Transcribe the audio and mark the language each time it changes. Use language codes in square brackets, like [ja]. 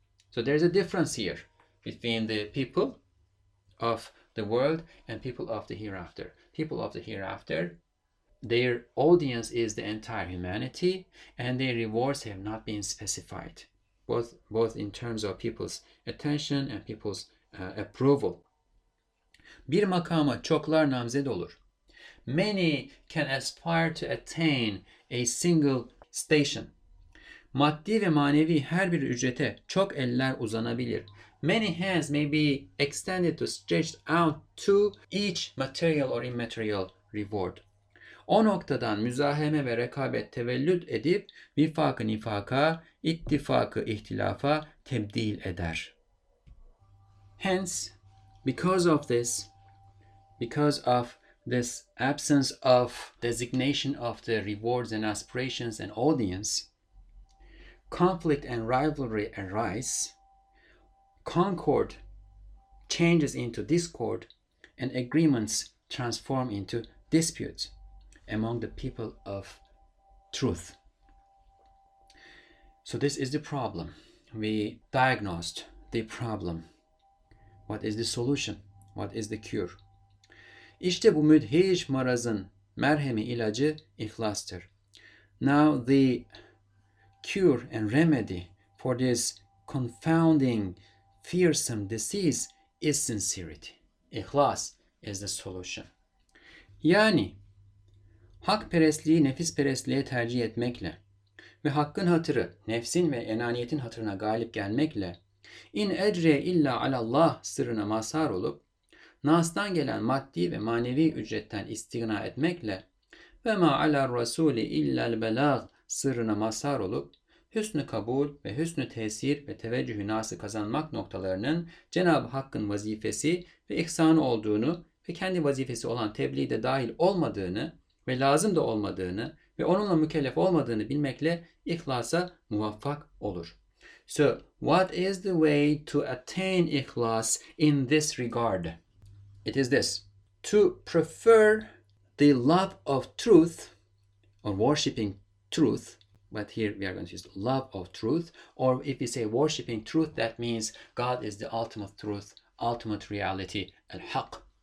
[en] So there's a difference here between the people of the world and people of the hereafter. People of the hereafter, their audience is the entire humanity, and their rewards have not been specified, both in terms of people's attention and people's approval. [tr] Bir makama çoklar namzed olur. [en] Many can aspire to attain a single station. [tr] Maddi ve manevi her bir ücrete çok eller uzanabilir. [en] Many hands may be extended to stretch out to each material or immaterial reward. [tr] O noktadan müzaheme ve rekabet tevellüt edip vifakı nifaka, ittifakı ihtilafa tebdil eder. [en] Hence, because of this, because of this absence of designation of the rewards and aspirations and audience, conflict and rivalry arise, concord changes into discord, and agreements transform into disputes among the people of truth. So this is the problem. We diagnosed the problem. What is the solution? What is the cure? [tr] İşte bu müdhiş marazın merhemi ilacı ihlastır. [en] Now the cure and remedy for this confounding, fearsome disease is sincerity. İhlas is the solution. [tr] Yani hak perestliği nefis perestliğe tercih etmekle ve hakkın hatırı nefsin ve enaniyetin hatırına galip gelmekle [ar] in ecre illa alallah [tr] sırrına mazhar olup nas'tan gelen maddi ve manevi ücretten istigna etmekle ve [ar] ma alar rasuli illal belag [tr] sırrına mazhar olup hüsnü kabul ve hüsnü tesir ve teveccühü nası kazanmak noktalarının Cenab-ı Hakk'ın vazifesi ve ihsanı olduğunu ve kendi vazifesi olan tebliğde dahil olmadığını ve lazım da olmadığını ve onunla mükellef olmadığını bilmekle ihlasa muvaffak olur. [en] So what is the way to attain ihlas in this regard? It is this, to prefer the love of truth, or worshipping truth, but here we are going to use love of truth, or if we say worshipping truth, that means God is the ultimate truth, ultimate reality, al-haq.